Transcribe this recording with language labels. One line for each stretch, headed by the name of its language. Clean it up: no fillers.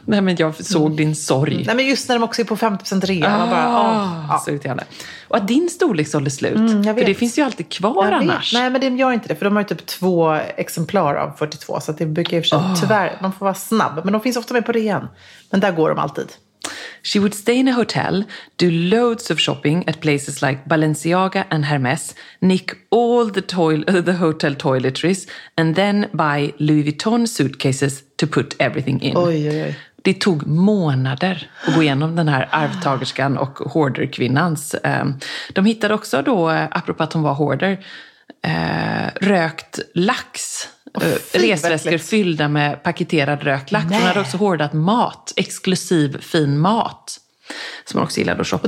Swedish: Nej, men jag såg din sorg. Nej, men just när de också är på 50% rea. Såg ut gärna. Och att din storlek sålde slut. Mm, för det finns ju alltid kvar annars. Nej, men de gör inte det. För de har ju typ 2 exemplar av 42. Så att det brukar ju för sig, tyvärr, man får vara snabb. Men de finns ofta med på rean. Men där går de alltid.
English: She would stay in a hotel, do loads of shopping at places like Balenciaga and Hermes, nick all the hotel toiletries, and then buy Louis Vuitton suitcases to put everything in.
Swedish: Oj, oj, oj. Det tog månader att gå igenom den här arvtagerskan och hoarderkvinnans. De hittade också då, apropå att hon var hoarder, rökt lax. Resväskor fyllda med paketerad röklax. Hon hade också hårdat mat, exklusiv fin mat som hon också gillade att shoppa.